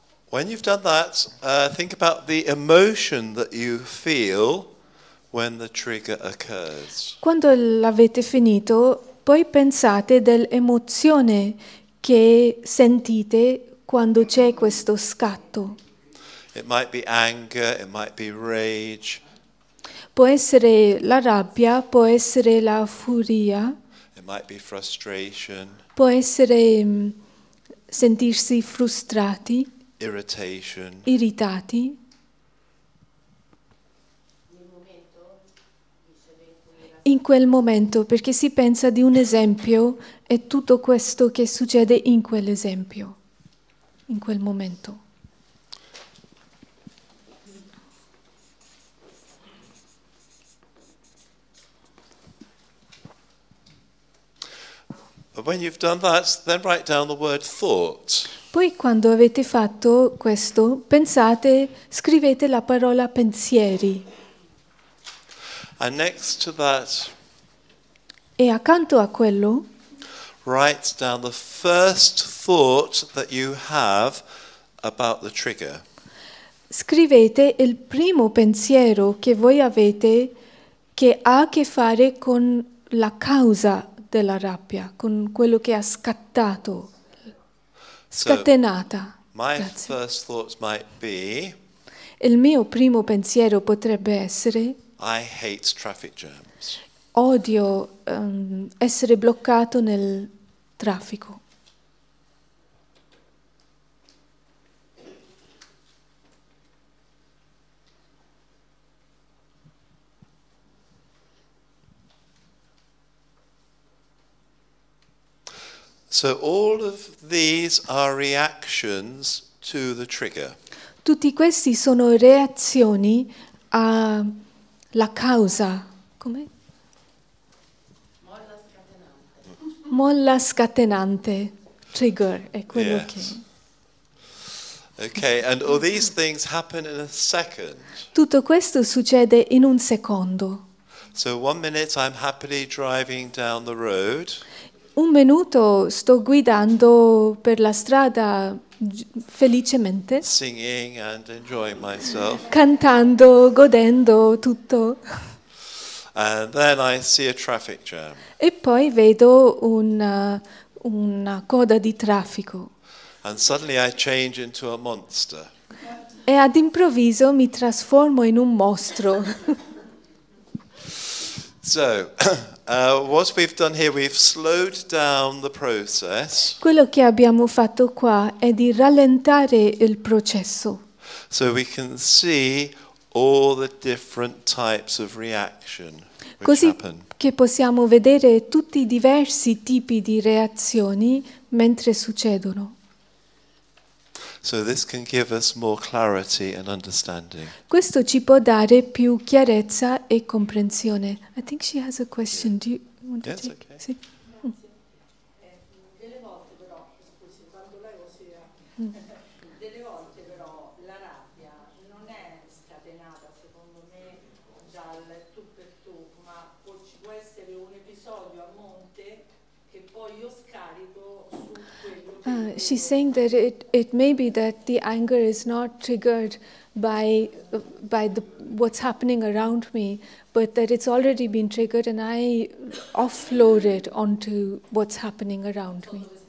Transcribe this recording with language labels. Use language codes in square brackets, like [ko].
[en] When you've done that, think about the emotion that you feel when the trigger occurs. [it] Quando l'avete finito, poi pensate dell'emozione che sentite quando c'è questo scatto. [en] It might be anger, it might be rage. [it] Può essere la rabbia, può essere la furia. [en] It might be frustration. [it] Può essere sentirsi frustrati. [en] Irritation. [it] Irritati. In quel momento, perché si pensa di un esempio e tutto questo che succede in quell'esempio, in quel momento. [en] But when you've done that, then write down the word thought. [it] Poi quando avete fatto questo, pensate, scrivete la parola pensieri. [en] And next to that, [it] e accanto a quello, [en] write down the first thought that you have about the trigger. [it] Scrivete il primo pensiero che voi avete che ha a che fare con la causa della rabbia, con quello che ha scattato, scatenata. [en] So my first thought might be, [it] il mio primo pensiero potrebbe essere, [en] I hate traffic jams. [it] Odio essere bloccato nel traffico. [en] So all of these are reactions to the trigger. [it] Tutti questi sono reazioni a la causa, come? Molla scatenante. Trigger è quello, yes, che. [en] Okay, and all these things happen in a second. [it] Tutto questo succede in un secondo. [en] So one minute I'm happily driving down the road. [it] Un minuto sto guidando per la strada felicemente. [en] Singing and enjoying myself. [it] Cantando, godendo tutto. [en] And then I see a traffic jam. [it] E poi vedo una coda di traffico. [en] And suddenly I change into a monster. [it] E ad improvviso mi trasformo in un mostro. [en] So, what we've done here, we've slowed down the process. [it] Quello che abbiamo fatto qua è di rallentare il processo. [en] So we can see all the different types of reaction which happen. [it] Così che possiamo vedere tutti i diversi tipi di reazioni mentre succedono. [en] So this can give us more clarity and understanding. [it] Questo ci può dare più chiarezza e comprensione. [en] I think she has a question. Yeah. Do you want to take? Yes, okay. [it] Sì. Grazie. Delle volte però, scusi, quando lei ossia, delle volte però la rabbia non è scatenata, secondo me, dal tu per tu, ma ci può essere un episodio a monte che poi io scarico su quello che. [en] She's saying that it may be that the anger is not triggered by the what's happening around me, but that it's already been triggered and I offload it onto what's happening around me.